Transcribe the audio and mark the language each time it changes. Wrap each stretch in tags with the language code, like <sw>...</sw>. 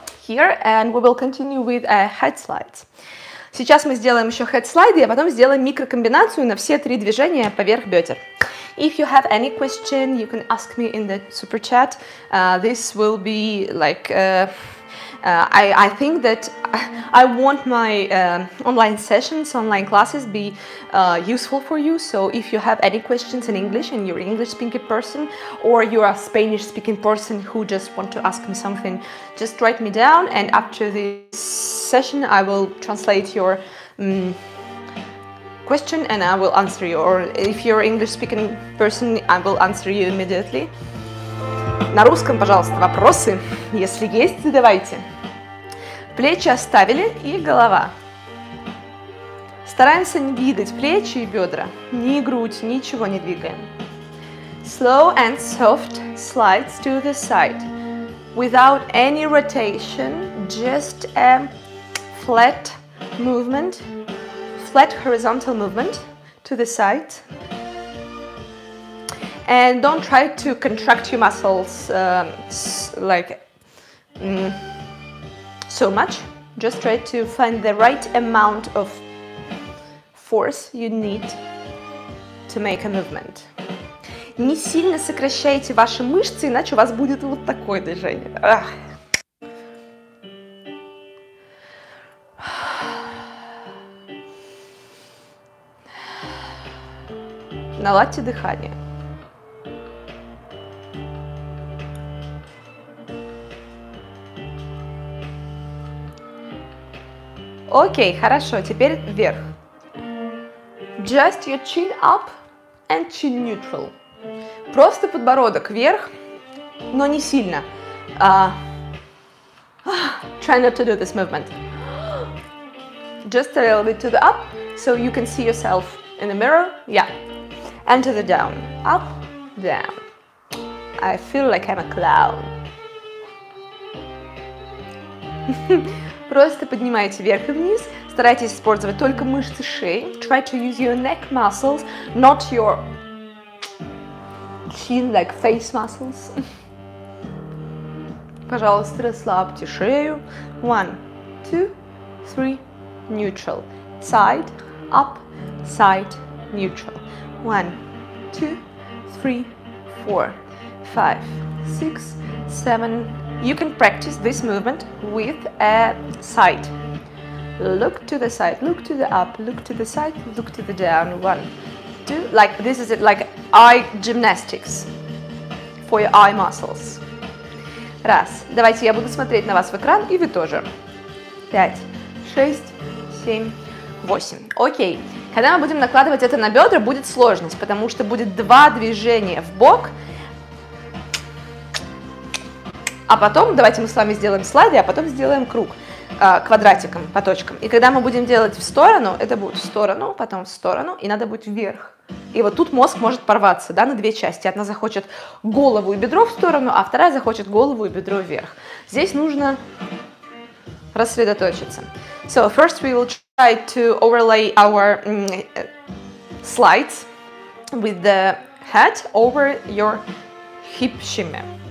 <en>here, and we will continue with a head slide.</en> <ru>Сейчас мы сделаем еще head slide, а потом сделаем микрокомбинацию на все три движения поверх бедер.</ru> <en>If you have any question, you can ask me in the super chat. This will be like I think that I want my online sessions, online classes be useful for you. So if you have any questions in English and you're an English-speaking person or you're a Spanish-speaking person who just want to ask me something, just write me down and after this session I will translate your question and I will answer you. Or if you're an English-speaking person, I will answer you immediately.</en> <ru>На русском, пожалуйста, вопросы. Если есть, задавайте. Плечи оставили и голова. Стараемся не двигать плечи и бедра. Ни грудь, ничего не двигаем.</ru> <en>Slow and soft slides to the side. Without any rotation, just a flat movement. Flat horizontal movement to the side. And don't try to contract your muscles so much. Just try to find the right amount of force you need to make a movement.</en> <ru>Не сильно сокращайте ваши мышцы, иначе у вас будет вот такое движение. Наладьте дыхание. Окей, хорошо, теперь вверх.</ru> <en>Just your chin up and chin neutral.</en> <ru>Просто подбородок вверх, но не сильно.</ru> <en>Try not to do this movement. Just a little bit to the up, so you can see yourself in the mirror. Yeah. And to the down. Up, down. I feel like I'm a clown.</en> <ru>Просто поднимайте вверх и вниз. Старайтесь использовать только мышцы шеи.</ru> <en>Try to use your neck muscles, not your chin, like face muscles.</en> <ru>Пожалуйста, расслабьте шею.</ru> <en>One, two, three, neutral. Side, up, side, neutral. One, two, three, four, five, six, seven. You can practice this movement with a side. Look to the side, look to the up, look to the side, look to the down. One, two, like this is it, like eye gymnastics for your eye muscles.</en> <ru>Раз. Давайте я буду смотреть на вас в экран, и вы тоже. Пять, шесть, семь, восемь. Окей. Когда мы будем накладывать это на бедра, будет сложность, потому что будет два движения в бок. А потом, давайте мы с вами сделаем слайды, а потом сделаем круг квадратиком по точкам. И когда мы будем делать в сторону, это будет в сторону, потом в сторону, и надо будет вверх. И вот тут мозг может порваться, да, на две части. Одна захочет голову и бедро в сторону, а вторая захочет голову и бедро вверх. Здесь нужно рассредоточиться.</ru> <en>So, first we will try to overlay our slides with the head over your hip shimmer.</en>